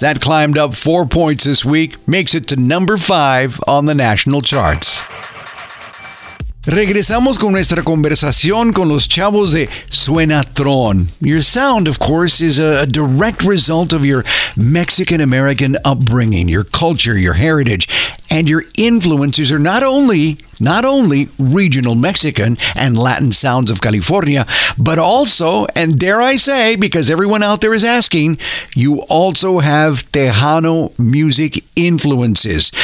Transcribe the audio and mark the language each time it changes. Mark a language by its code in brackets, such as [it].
[en] That climbed up 4 points this week, makes it to number 5 on the national charts. [es] Regresamos con nuestra conversación con los chavos de Suenatron. [en] Your sound, of course, is a direct result of your Mexican-American upbringing, your culture, your heritage, and your influences are not only regional Mexican and Latin sounds of California, but also, and dare I say, because everyone out there is asking, you also have Tejano music influences.